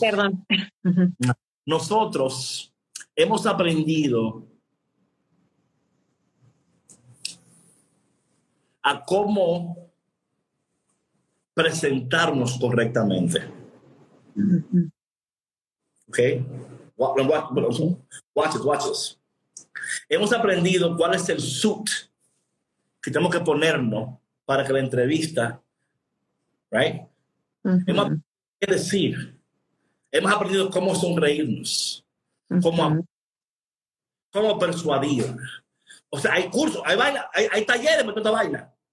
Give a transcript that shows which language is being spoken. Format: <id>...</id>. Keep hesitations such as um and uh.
<es>Perdón. Ujú. nosotros hemos aprendido a cómo presentarnos correctamente. Ujú. ¿Ok?</es> <en>Wa- wa- wa- Watch it, watch this.</en> <es>Hemos aprendido cuál es el suit que tenemos que ponernos para que la entrevista, right? Hemos Ujú. aprendido qué decir. Hemos aprendido cómo sonreírnos, cómo, Ujú. cómo persuadir. O sea, hay cursos, hay, vaina, hay, hay talleres para toda esta vaina.</es>